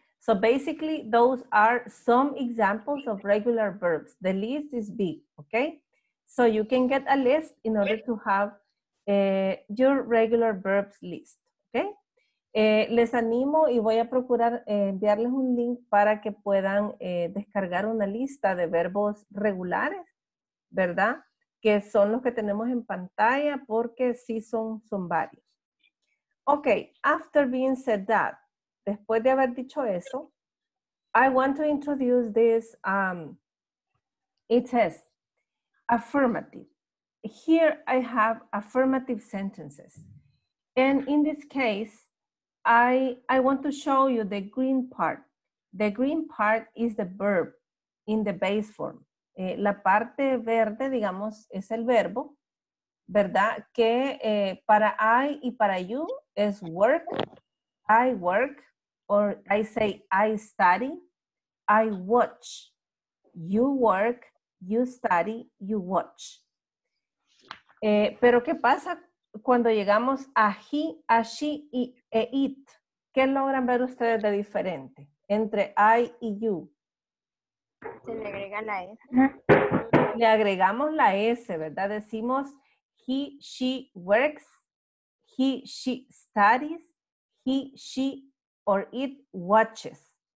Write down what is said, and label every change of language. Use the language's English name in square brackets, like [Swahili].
[English] So basically, those are some examples of regular verbs. The list is big, okay? So you can get a list in order to have your regular verbs list, okay? [Spanish] Les animo y voy a procurar enviarles un link para que puedan descargar una lista de verbos regulares, ¿verdad? Que son los que tenemos en pantalla porque sí son varios. [English] Okay, after being said that, [Spanish] después de haber dicho eso, [English] I want to introduce this, it says, affirmative. Here I have affirmative sentences. And in this case, I want to show you the green part. The green part is the verb in the base form. [Spanish] La parte verde, digamos, es el verbo, ¿verdad? [English] Que para I y para you es work, I work, or I say I study, I watch, you work, you study, you watch. [Spanish] Pero ¿qué pasa cuando llegamos a he, a she y, e it? ¿Qué logran ver ustedes de diferente entre I y you? Se le agrega la S. Le agregamos la S, ¿verdad? Decimos [English] he, she works, he, she studies, he, she or it watches.